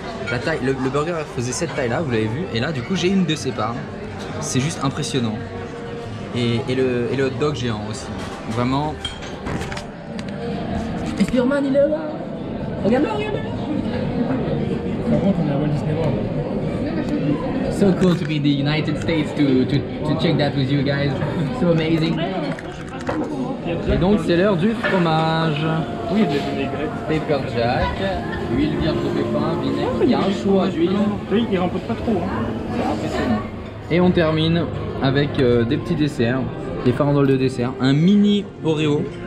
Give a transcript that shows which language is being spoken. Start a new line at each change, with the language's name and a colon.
French: La taille, le burger faisait cette taille là, vous l'avez vu. Et là du coup j'ai une de ces parts. C'est juste impressionnant. Et le hot dog géant aussi. Vraiment. Et Spider-Man il est là. Regarde-le. Par contre on est à Walt Disney World.
English: So cool to be in the United States to check that with you guys. So amazing.
French: Et donc c'est l'heure du fromage. Oui, des vinaigrettes. Paper Jack, huile vierge de pépin, vinaigre. Il y a un choix d'huile. Oui, il rempote pas trop. Et on termine avec des petits desserts, des farandoles de dessert, un mini Oreo.